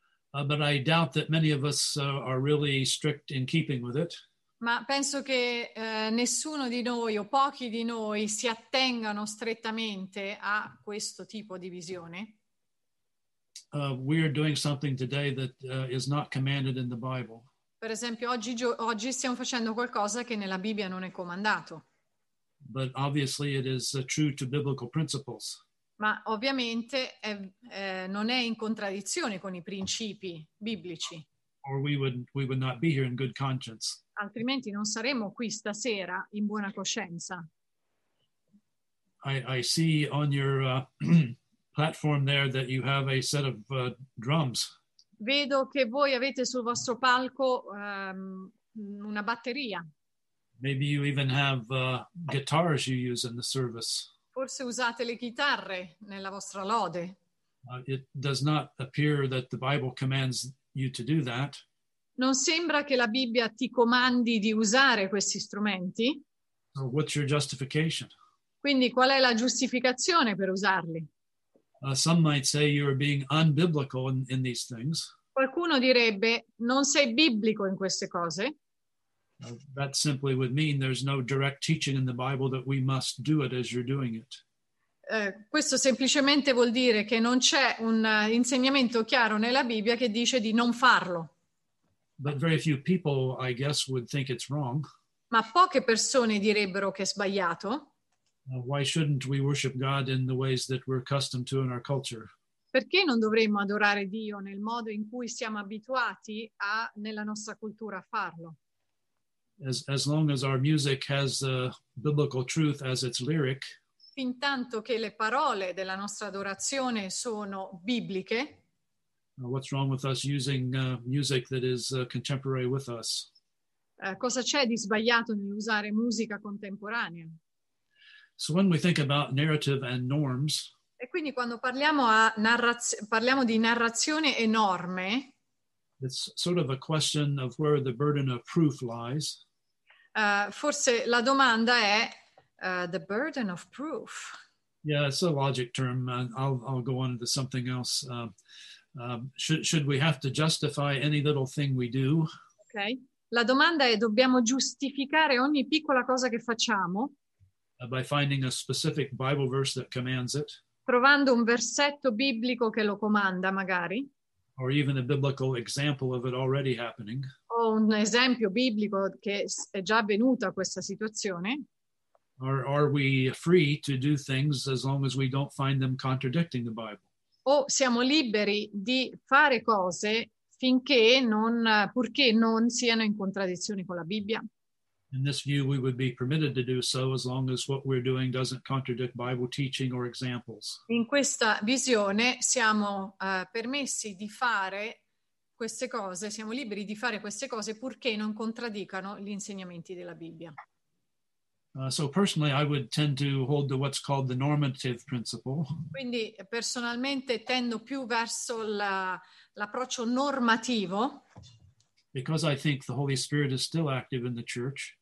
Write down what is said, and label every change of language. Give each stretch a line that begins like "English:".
English: But I doubt that many of us are really strict in keeping with it.
Italian: Ma penso che nessuno di noi o pochi di noi si attengano strettamente a questo tipo di visione.
English: We are doing something today that is not commanded in the Bible.
Italian: Per esempio, oggi stiamo facendo qualcosa che nella Bibbia non è comandato.
English: But obviously it is true to biblical principles.
Italian: Ma ovviamente non è in contraddizione con i principi biblici.
English: or we would not be here in good conscience.
Italian: Altrimenti non saremmo qui stasera in buona coscienza.
English: I see on your platform there that you have a set of drums.
Italian: Vedo che voi avete sul vostro palco una batteria.
English: Maybe you even have guitars you use in the service.
Italian: Forse usate le chitarre nella vostra lode.
English: It does not appear that the Bible commands you to do that.
Italian: Non sembra che la Bibbia ti comandi di usare questi strumenti.
English: So what's your justification?
Italian: Quindi qual è la giustificazione per usarli?
English: Some might say you are being unbiblical in these things.
Italian: Qualcuno direbbe non sei biblico in queste cose.
English: That simply would mean there's no direct teaching in the Bible that we must do it as you're doing it.
Italian: Questo semplicemente vuol dire che non c'è un insegnamento chiaro nella Bibbia che dice di non farlo.
English: But very few people, I guess, would think it's wrong.
Italian: Ma poche persone direbbero che è sbagliato.
English: Why shouldn't we worship God in the ways that we're accustomed to in our culture?
Italian: Perché non dovremmo adorare Dio nel modo in cui siamo abituati a nella nostra cultura a farlo?
English: As long as our music has biblical truth as its lyric.
Italian: Fin tanto che le parole della nostra adorazione sono bibliche.
English: What's wrong with us using music that is contemporary with us?
Italian: Cosa c'è di sbagliato nell'usare musica contemporanea?
English: So when we think about narrative and norms.
Italian: E quindi quando parliamo di narrazione e norme.
English: It's sort of a question of where the burden of proof lies.
Italian: Forse la domanda è
English: the burden of proof. Yeah, it's a logic term. I'll go on to something else. Should we have to justify any little thing we do? Okay.
Italian: La domanda è dobbiamo giustificare ogni piccola cosa che facciamo?
English: By finding a specific Bible verse that commands it.
Italian: Trovando un versetto biblico che lo comanda, magari.
English: Or even a biblical example of it already happening.
Italian: O un esempio biblico che è già avvenuto a questa situazione.
English: Or are we free to do things as long as we don't find them contradicting the Bible?
Italian: O siamo liberi di fare cose finché purché non siano in contraddizione con la Bibbia?
English: In this view, we would be permitted to do so as long as what we're doing doesn't contradict Bible teaching or examples.
Italian: In questa visione siamo permessi di fare queste cose, siamo liberi di fare queste cose purché non contraddicano gli insegnamenti della Bibbia.
English: So personally, I would tend to hold to what's called the normative principle.
Italian: Quindi personalmente tendo più verso l'approccio normativo.
English: Because I think the Holy Spirit is still active in the church.